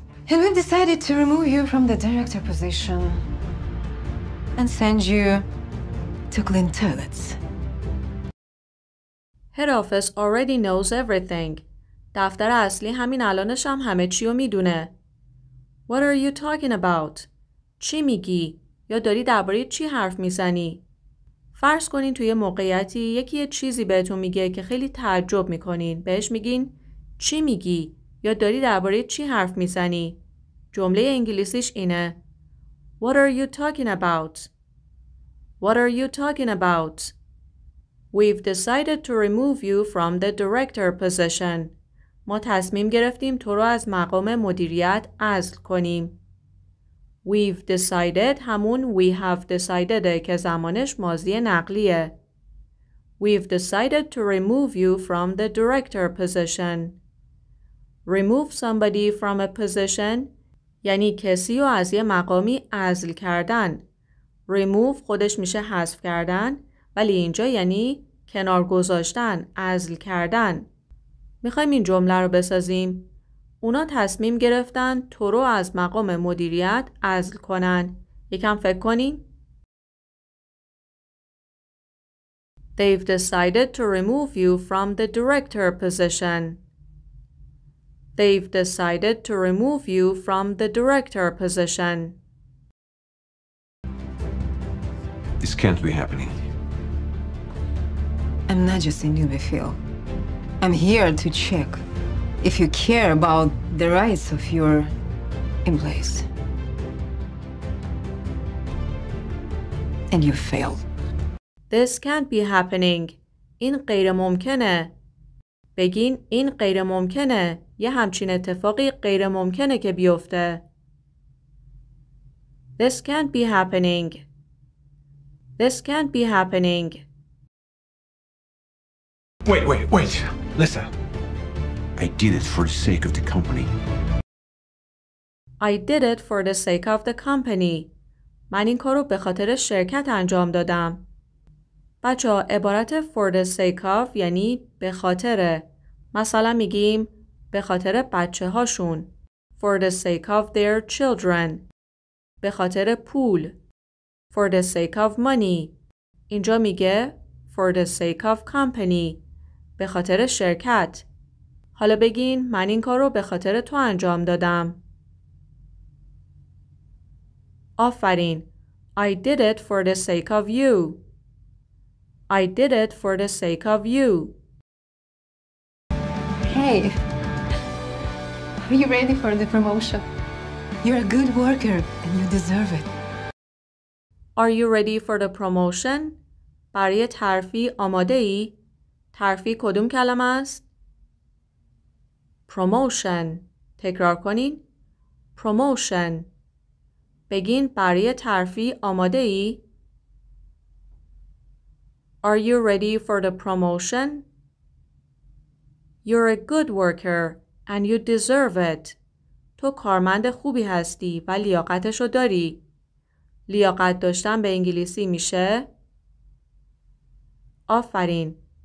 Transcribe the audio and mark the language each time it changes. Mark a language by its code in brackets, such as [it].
[en] And we've decided to remove you from the director position and send you to clean toilets. Head office already knows everything. [fa] دفتر اصلی همین الانش هم همه چی رو میدونه. [en] What are you talking about? [fa] چی میگی؟ یا داری درباره چی حرف میزنی؟ فرض کنین توی موقعیتی یکی چیزی بهتون میگه که خیلی تعجب میکنین. بهش میگین چی میگی؟ یا داری درباره چی حرف میزنی؟ جمله انگلیسیش اینه [en] What are you talking about? What are you talking about? We've decided to remove you from the director position. [fa] ما تصمیم گرفتیم تو رو از مقام مدیریت عزل کنیم. [en] We've decided [fa] همون [en] we have decided [fa] که زمانش ماضی نقلیه. [en] We've decided to remove you from the director position. Remove somebody from a position [fa] یعنی کسی رو از یه مقامی عزل کردن. Remove خودش میشه حذف کردن ولی اینجا یعنی کنار گذاشتن، عزل کردن. میخوایم این جمله رو بسازیم. اونا تصمیم گرفتن تو رو از مقام مدیریت عزل کنن. یکم فکر کنین. [en] They've decided to remove you from the director position. They've decided to remove you from the director position. This can't be happening. I'm not just a newbie, Phil. I'm here to check if you care about the rights of your employees. And you failed. This can't be happening. [fa] این غیر ممکنه. بگین این غیر ممکنه. یه همچین اتفاقی غیر ممکنه که بیفته. [en] This can't be happening. This can't be happening. Wait. Listen. I did it for the sake of the company. I did it for the sake of the company. [fa] من این کارو به خاطر شرکت انجام دادم. بچه ها عبارت [en] for the sake of [fa] یعنی به خاطر. مثلا میگیم به خاطر بچه هاشون. [en] For the sake of their children. [fa] به خاطر پول. [en] For the sake of money. [fa] اینجا میگه [en] For the sake of company. [fa] به خاطر شرکت. حالا بگین من این کارو به خاطر تو انجام دادم. آفرین. [en] I did it for the sake of you. I did it for the sake of you. Hey. Are you ready for the promotion? You're a good worker and you deserve it. Are you ready for the promotion? [fa] برای ترفیع آماده ای؟ ترفیع کدوم کلمه است؟ Promotion. تکرار کنین. Promotion. بگین برای ترفیع آماده ای؟ [en] Are you ready for the promotion? You're a good worker and you deserve it. [fa] تو کارمند خوبی هستی و لیاقتشو داری. لیاقت داشتن به انگلیسی میشه؟ آفرین.